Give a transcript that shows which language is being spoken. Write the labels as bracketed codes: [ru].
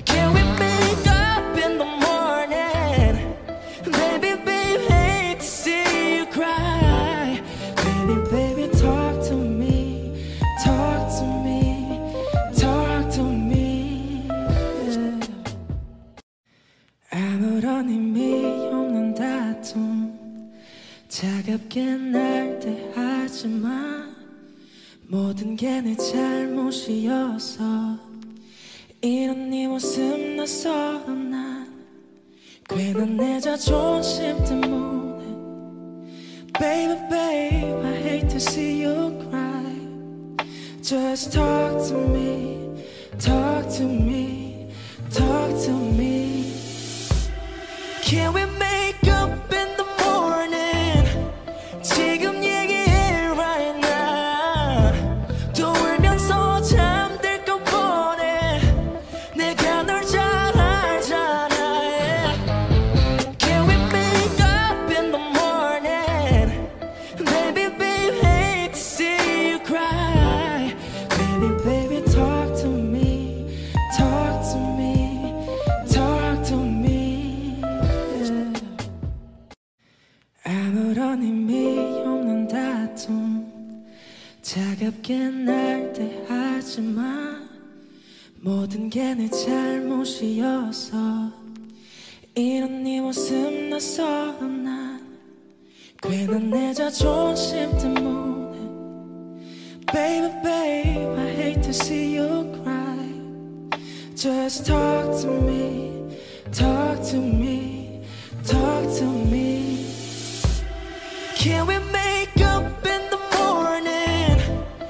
[en] Can we make up in the morning? Baby, baby, hate to see you cry. Baby, baby, talk to me, talk to me, talk to me. Yeah. [ko] 아무런 의미 없는 다툼 차갑게 날대하지 마. 모든 게 내 잘못이어서 이런 네 모습 낯설어 난 괜한 내 자존심 때문에 [en] Baby, babe, I hate to see you cry. Just talk to me, talk to me, talk to me. Can we make up in the morning? [ko] 지금 얘기해 [en] right now. [ko] 또 울면서 잠들 것 뻔해. 내가 널 잘 알잖아. Yeah. [en] Can we make up in the morning? Baby, baby, hate to see you cry. Baby, baby, talk to me, talk to me, talk to me. Yeah. [ko] 아무런 의미 없는 다툼 차갑게 날대하지 마. 모든 게 내 잘못이어서 이런 네 모습 낯설어 난 괜한 내 자존심 때문에 [en] Baby, babe, I hate to see you cry. Just talk to me, talk to me, talk to me. Can we make up in the morning?